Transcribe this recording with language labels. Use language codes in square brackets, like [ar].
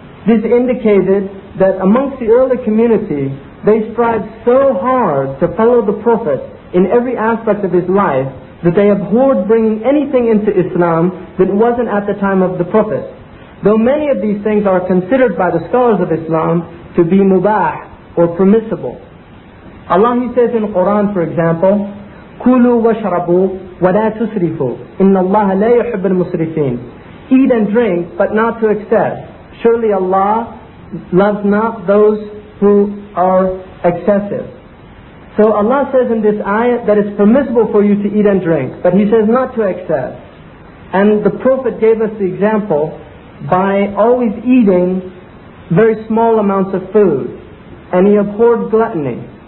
[en] This indicated that amongst the early community, they strived so hard to follow the Prophet in every aspect of his life that they abhorred bringing anything into Islam that wasn't at the time of the Prophet. Though many of these things are considered by the scholars of Islam to be mubah or permissible. Allah, He says in the Quran, for example, [ar] كُلُوا وَشَرَبُوا وَلَا تُسْرِفُوا إِنَّ اللَّهَ لَا يُحِبُّ الْمُسْرِفِينَ. [en] Eat and drink, but not to excess. Surely Allah loves not those who are excessive. So Allah says in this ayah that it's permissible for you to eat and drink, but He says not to excess. And the Prophet gave us the example by always eating very small amounts of food, and he abhorred gluttony.